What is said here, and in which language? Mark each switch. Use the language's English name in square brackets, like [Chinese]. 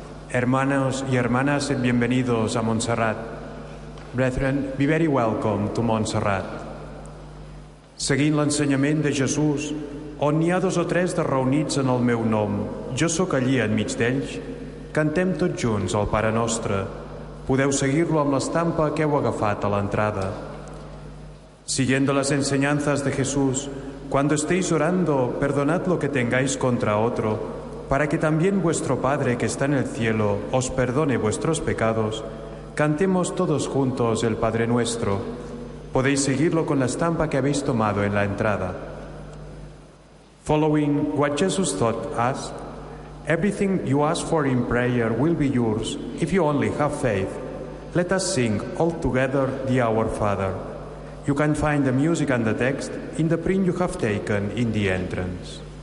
[Spanish] Hermanos y hermanas, bienvenidos a Montserrat. [English] Brethren, be very welcome to Montserrat. [Catalan] Seguint l'ensenyament de Jesús, on n'hi ha dos o tres de reunits en el meu nom, jo sóc allí enmig d'ells, cantem tots junts el Pare Nostre. Podeu seguir-lo amb l'estampa que heu agafat a l'entrada. [Spanish] Siguiendo las enseñanzas de Jesús, cuando estéis orando, perdonad lo que tengáis contra otro, para que también vuestro Padre que está en el cielo os perdone vuestros pecados, cantemos todos juntos el Padre Nuestro. Podéis seguirlo con la estampa que habéis tomado en la entrada. [English] Following what Jesus taught us, everything you ask for in prayer will be yours if you only have faith. Let us sing all together the Our Father. You can find the music and the text in the print you have taken in the entrance.